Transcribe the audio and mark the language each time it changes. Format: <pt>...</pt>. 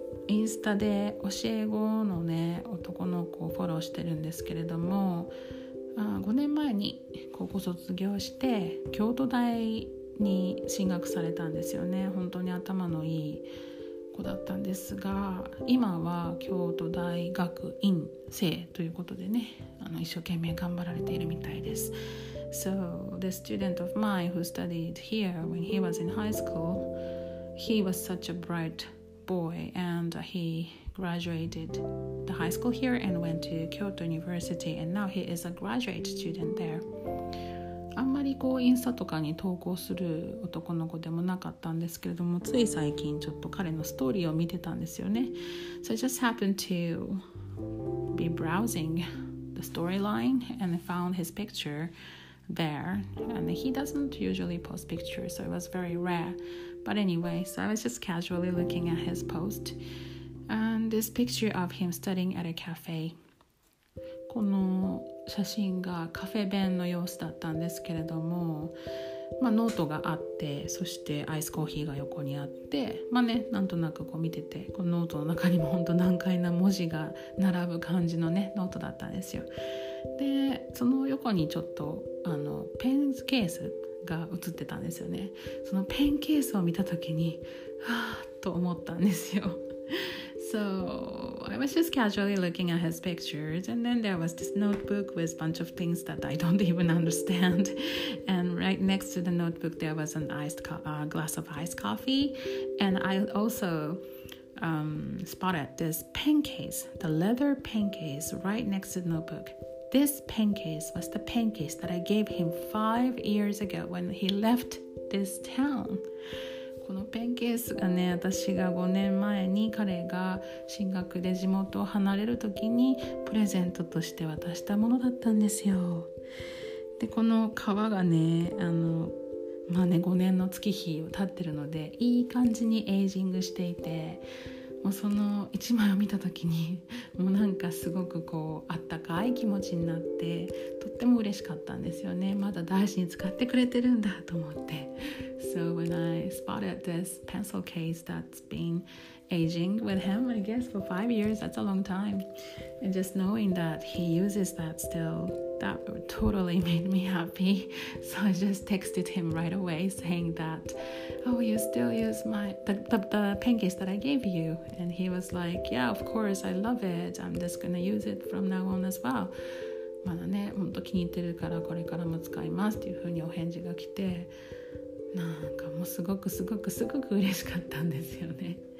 <ja>インスタで教え子のね、男の子をフォローしてるんですけれども、5年前に高校卒業して京都大に進学されたんですよね。本当に頭のいい子だったんですが、今は京都大学院生ということでね、一生懸命頑張られているみたいです。</ja> <en>So the student of mine who studied here when he was in high school, he was such a bright boy and he graduated the high school here and went to Kyoto University and now he is a graduate student there.</en> <ja>あんまりこうインスタとかに投稿する男の子でもなかったんですけれどもつい最近ちょっと彼のストーリーを見てたんですよね</ja> <en>So I just happened to be browsing the storyline and found his picture there and he doesn't usually post pictures so it was very rare but anyway so I was just casually looking at his post and this picture of him studying at a cafe</en> <ja>この写真がカフェ弁の様子だったんですけれども、まあ、ノートがあってそしてアイスコーヒーが横にあってまあねなんとなくこう見ててこのノートの中にも本当難解な文字が並ぶ感じのねノートだったんですよでその横にちょっとあのペンケースが写ってたんですよねそのペンケースを見た時にはぁと思ったんですよ</ja> <en>So I was just casually looking at his pictures and then there was this notebook with a bunch of things that I don't even understand. And right next to the notebook, there was an iced glass of iced coffee. And I also spotted this pen case, the leather pen case right next to the notebook. This pen case was the pen case that I gave him 5 years ago when he left this town.</en> <ja>このペンケースがね私が5年前に彼が進学で地元を離れる時にプレゼントとして渡したものだったんですよでこの革がねあのまあね5年の月日を経ってるのでいい感じにエイジングしていてもうその1枚を見た時にもうなんかすごくこうあったかい気持ちになってとっても嬉しかったんですよねまだ大事に使ってくれてるんだと思って</ja> <en>So when I spotted this pencil case that's been aging with him, I guess for 5 years, that's a long time. And just knowing that he uses that still, that totally made me happy. So I just texted him right away saying that, oh, you still use the pen case that I gave you. And he was like, yeah, of course, I love it. I'm just going to use it from now on as well.</en> <ja>まだね、本当気に入ってるからこれからも使いますっていうふうにお返事が来て、なんかもうすごくすごくすごく嬉しかったんですよね。</ja>